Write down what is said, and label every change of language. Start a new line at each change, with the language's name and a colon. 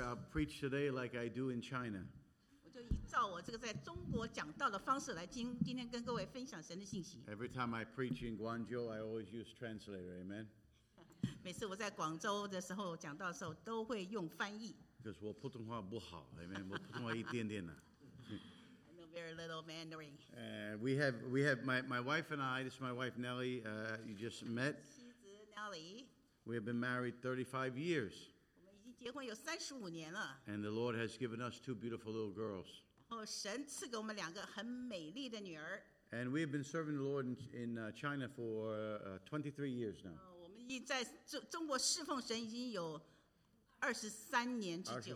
English: preach today like I do in China.
Chinese: 我就依照我这个在中国讲道的方式来今天跟各位分享神的信息。
English: Every time I preach in Guangzhou, I always use translator. Amen.
Chinese: 每次我在广州的时候讲道的时候，都会用翻译。 Because 我普通话不好 ，Amen. 我普通话一点点呢。
English: Very little Mandarin. We have my wife and I. This is my wife Nelly. You just met.
Chinese: 妻子 Nelly.
English: We have been married 35 years.
Chinese: 我们已经结婚有35年了。
English: And the Lord has given us two beautiful little girls.
Chinese: 然后神赐给我们两个很美丽的女儿。
English: And we have been serving the Lord in China for 23 years now.
Chinese: 我们已经在中国侍奉神已经有23年之久。